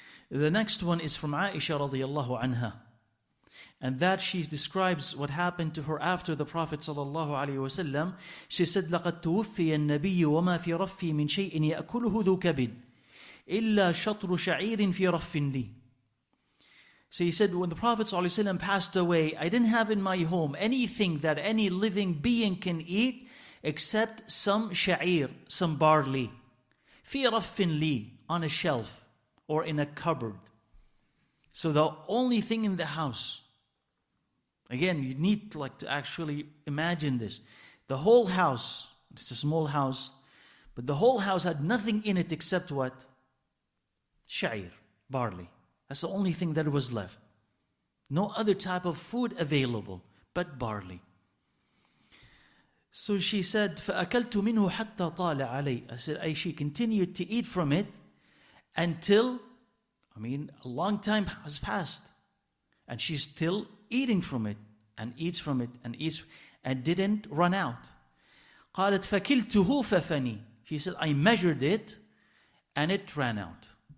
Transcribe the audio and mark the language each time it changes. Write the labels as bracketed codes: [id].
[en] The next one is from Aisha radiallahu anha, and that she describes what happened to her after the Prophet sallallahu alayhi wa sallam. She said, [ar] لَقَدْ تُوفِّيَ النَّبِيُّ وَمَا فِي رَفِّي مِنْ شَيْءٍ يَأْكُلُهُ ذُو كَبِدٍ إِلَّا شَطْرُ شَعِيرٍ فِي رَفٍ لِي. [en] So he said, when the Prophet ﷺ passed away, I didn't have in my home anything that any living being can eat except some sha'ir, some barley. [ar] فِي رَفٍ لِي, [en] on a shelf or in a cupboard. So the only thing in the house, again, you need to, like, to actually imagine this. The whole house, it's a small house, but the whole house had nothing in it except what? Sha'ir, barley. That's the only thing that was left. No other type of food available but barley. So she said, [ar] فَأَكَلْتُ مِنْهُ حَتَّى طَالَ عَلَيْهِ. [en] I said, she continued to eat from it until, a long time has passed. And she's still eating from it and eats from it and eats and didn't run out. [ar] قَالَتْ فَكِلْتُهُ فَفَنِي. [en] She said, I measured it and it ran out.